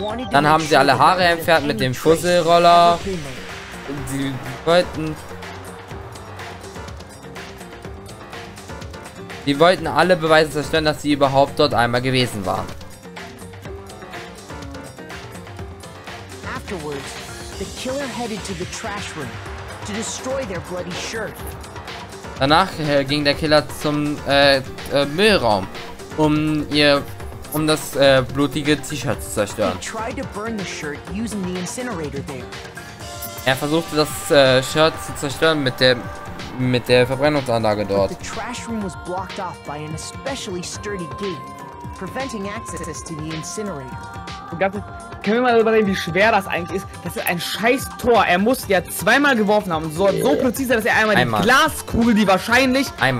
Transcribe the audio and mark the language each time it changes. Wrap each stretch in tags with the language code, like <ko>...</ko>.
<de>Dann haben sie alle Haare entfernt mit dem Fusselroller. Sie wollten. Die wollten alle Beweise zerstören, dass sie überhaupt dort einmal gewesen waren.</de> <en>Afterwards, the killer headed to the trash room to destroy their bloody shirt.</en> <de>Danach ging der Killer zum Müllraum, um das blutige T-Shirt zu zerstören.</de> <en>He tried to burn the shirt using the incinerator there.</en> <de>Er versuchte das Shirt zu zerstören mit der Verbrennungsanlage dort.</de> <en>The trash room was blocked off by an especially sturdy gate, preventing access to the incinerator.</en> <de>Können wir mal überlegen, wie schwer das eigentlich ist? Das ist ein scheiß Tor. Er muss ja zweimal geworfen haben. So präzise, dass er einmal die Glaskugel, die wahrscheinlich...</de>